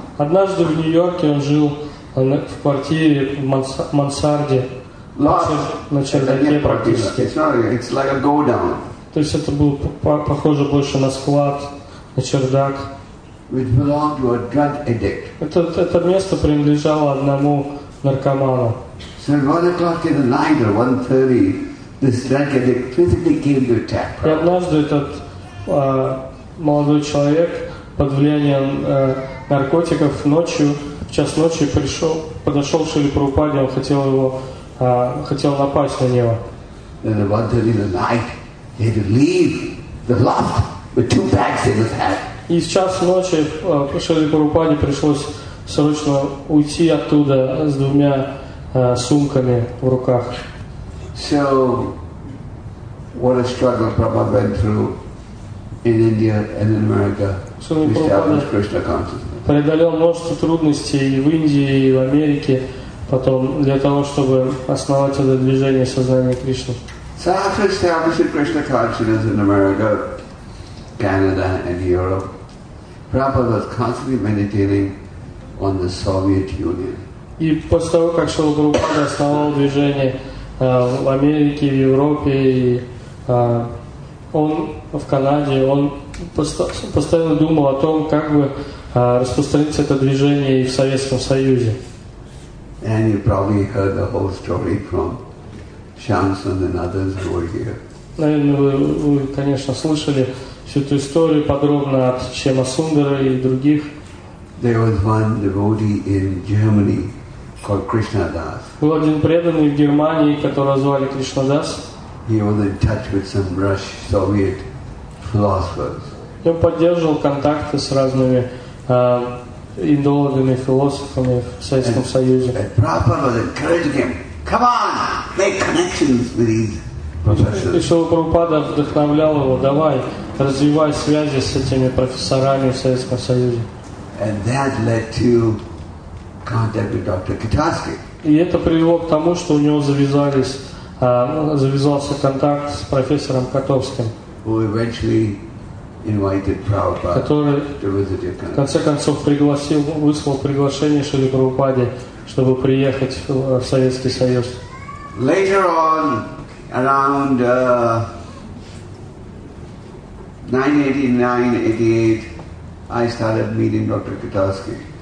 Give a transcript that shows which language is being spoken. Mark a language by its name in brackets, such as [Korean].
[Russian] Однажды в Нью-Йорке он жил в квартире в мансарде, на чердаке практически. [English] It's like a go-down. [Russian] То есть это было похоже больше на склад, на чердак. [English] Which belonged to a drug addict. [Russian] Это место принадлежало одному наркоману. [English] So at 1 o'clock in the night or 1:30, this drug addict physically came to attack. [Russian] И однажды этот молодой человек под влиянием наркотиков ночью, в час ночи пришел, подошел к Шриле Прабхупаде, он хотел его, хотел напасть на него. И в час ночи Шриле Прабхупаде пришлось срочно уйти оттуда с двумя сумками в руках. [English] So, what a struggle Prabhupada went through in India and in America to establish Krishna consciousness. [Russian] Преодолел множество трудностей и в Индии, и в Америке, потом для того, чтобы основать это движение сознания Кришны. [English] So, after establishing Krishna consciousness in America, Canada, and Europe, Prabhupada was constantly meditating on the Soviet Union. [Russian] И после того, как Шрила Прабхупада основал движение в Америке, в Европе, и он в Канаде, он постоянно думал о том, как бы распространить это движение и в Советском Союзе. [English] And you probably heard the whole story from Shamsun and others who were here. [Russian] Наверное, вы, конечно, слышали всю эту историю подробно от Шема Сундара и других. [English] There was one devotee in Germany called Krishna Das. [Russian] Был один преданный в Германии, которого звали Кришна Дас. [English] He was in touch with some Russian Soviet philosophers. [Russian] И он поддерживал контакты с разными индологами, философами в Советском Союзе. [English] And Prabhupada was encouraging him, come on, make connections with these professors. [Russian] И Шрила Прабхупада вдохновлял его, давай, развивай связи с этими профессорами в Советском Союзе. [English] And that led to contact with Dr. Katarsky. [Russian] И это привело к тому, что у него завязался контакт с профессором Котовским, [English] who eventually invited Prabhupada to visit your country. [Russian] В конце концов выслал приглашение Шриле Прабхупаде, чтобы приехать в Советский Союз. [English] Later on, around 1989-88, I started meeting Dr. Katarsky.